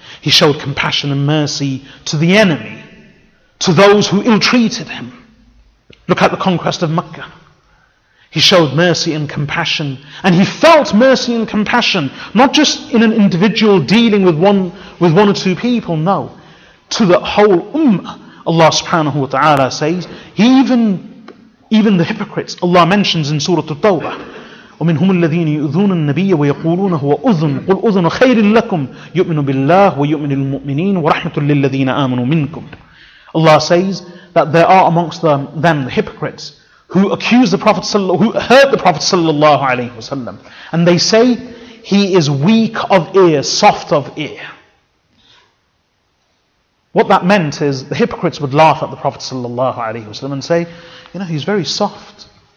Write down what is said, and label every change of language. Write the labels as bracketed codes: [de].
[en] He showed compassion and mercy to the enemy, to those who ill-treated him. Look at the conquest of Mecca. He showed mercy and compassion, and he felt mercy and compassion, not just in an individual dealing with one or two people, no. To the whole ummah, Allah subhanahu wa ta'ala says, even the hypocrites, Allah mentions in Surah At-Tawbah, [ar] وَمِنْهُمُ الَّذِينِ يُؤْذُونَ النَّبِيَّ وَيَقُولُونَ هُوَ أُذُنُ قُلْ أُذُنُ خَيْرٍ لَكُمْ يُؤْمِنُ بِاللَّهِ وَيُؤْمِنُ الْمُؤْمِنِينَ وَرَحْمَةٌ لِلَّذِينَ آمَنُوا مِنْكُمْ. [en] Allah says that there are amongst them the hypocrites who accuse the Prophet, who hurt the Prophet sallallahu alaihi wasallam, and they say he is weak of ear, soft of ear. What that meant is the hypocrites would laugh at the Prophet sallallahu alaihi wasallam and say, you know, he's very soft.